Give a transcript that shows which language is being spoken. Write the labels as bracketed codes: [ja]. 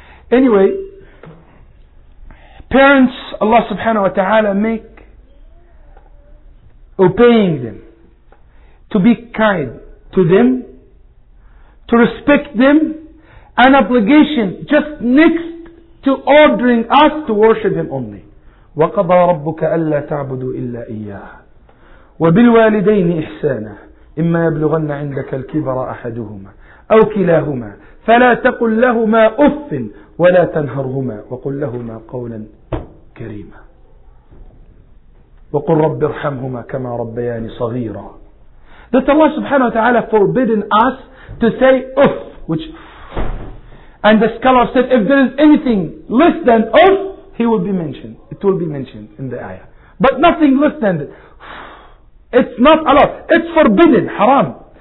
[en] Anyway, parents, Allah subhanahu wa ta'ala make obeying them, to be kind to them, to respect them, an obligation just next to ordering us to worship Him only. [ar] وَقَضَى رَبُّكَ أَلَّا تَعْبُدُوا إِلَّا إِيَّاهَ وَبِالْوَالِدَيْنِ إِحْسَانًا إما يبلغن عندك الكبر أحدهما أو كلاهما فلا تقل لهما أف ولا تنهرهما وقل لهما قولا كريما وقل رب ارحمهما كما ربياني صغيرا. [en] That Allah subhanahu wa ta'ala forbidden us to say أف, which and the scholar said if there is anything less than أف it will be mentioned in the ayah, but nothing less than it. It's not allowed. It's forbidden. Haram.